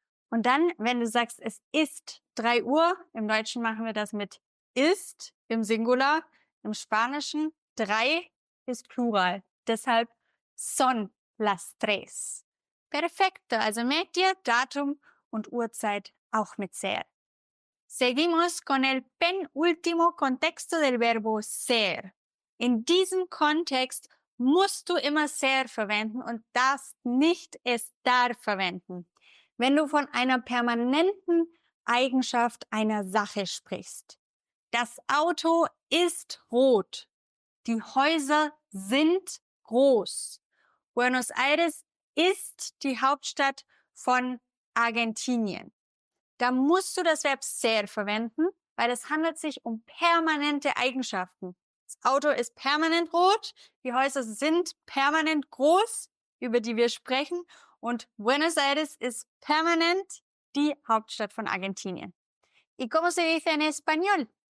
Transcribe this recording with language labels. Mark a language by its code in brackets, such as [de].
[de] Und dann, wenn du sagst, es ist 3 Uhr, im Deutschen machen wir das mit ist im Singular, im Spanischen 3 ist Plural. Deshalb [es] son las tres. [de] Perfecto, also merkt dir Datum und Uhrzeit auch mit ser. [es] Seguimos con el penúltimo contexto del verbo ser. [de] In diesem Kontext musst du immer ser verwenden und darfst nicht estar verwenden, wenn du von einer permanenten Eigenschaft einer Sache sprichst. Das Auto ist rot. Die Häuser sind groß. Buenos Aires ist die Hauptstadt von Argentinien. Da musst du das Verb ser verwenden, weil es handelt sich um permanente Eigenschaften. Das Auto ist permanent rot, die Häuser sind permanent groß, über die wir sprechen, und Buenos Aires ist permanent die Hauptstadt von Argentinien. [es] ¿Y cómo se dice en español?